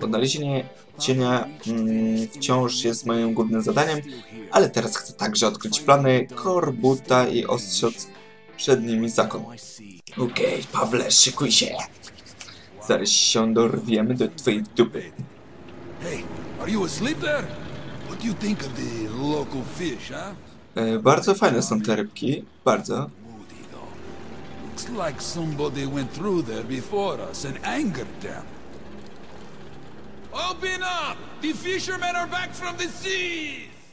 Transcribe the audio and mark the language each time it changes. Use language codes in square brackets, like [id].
[pl] Odnalezienie cienia wciąż jest moim głównym zadaniem, ale teraz chcę także odkryć plany Korbuta i ostrzec przed nimi zakon. Okej, Pawle, szykuj się. Zaraz się dorwiemy do twojej dupy. [en] Hey, are you a sleeper? What do you think of the local fish, huh? [pl] Bardzo fajne są te rybki, bardzo. [en] Looks like somebody went through there before us and angered them. Open up! The fishermen are back from the seas!